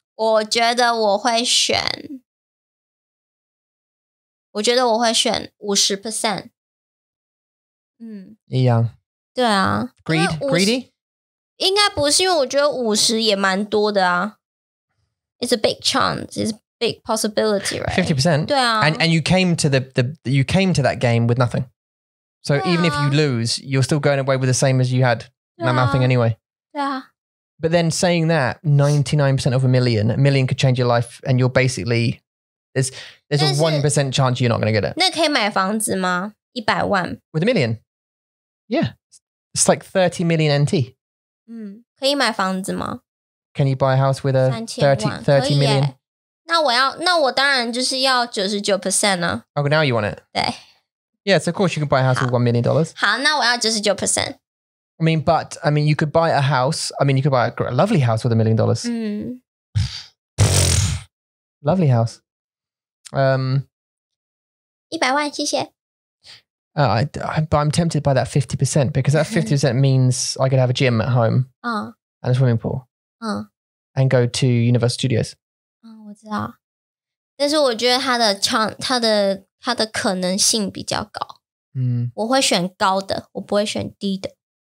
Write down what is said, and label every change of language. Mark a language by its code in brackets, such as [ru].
[zh] 我觉得我会选，我觉得我会选50%。嗯，一样。对啊 [en] ，greedy， [zh] 应该不是，因为我觉得50也蛮多的啊。 [en] It's a big chance. It's big possibility, right? 50%. [zh] 对啊。 [en] And you came to that game with nothing. So even if you lose, you're still going away with the same as you had. Nothing anyway. [zh] 对啊。 [en] But then saying that, 99% of a million could change your life, and you're basically, there's a 1% chance you're not going to get it. [zh] 那可以买房子吗？一百万。 [en] With $1 million? Yeah. It's like 30 million NT. 嗯， [zh] 可以买房子吗？ [en] Can you buy a house with a 30 million? [zh] 那我要，那我当然就是要99%啊。 [en] Okay, now you want it. [zh] 对。 [en] Yes, of course you can buy a house with $1 million. [zh] 好，那我要99%。 [en] I mean, but, I mean, you could buy a house. I mean, you could buy a lovely house with $1 million. Lovely house. [zh] 100万, 谢谢。 [en] But I'm tempted by that 50% because that 50% means I could have a gym at home and a swimming pool and go to Universal Studios. [zh] 我知道。但是我觉得它的可能性比较高。我会选高的，我不会选低的。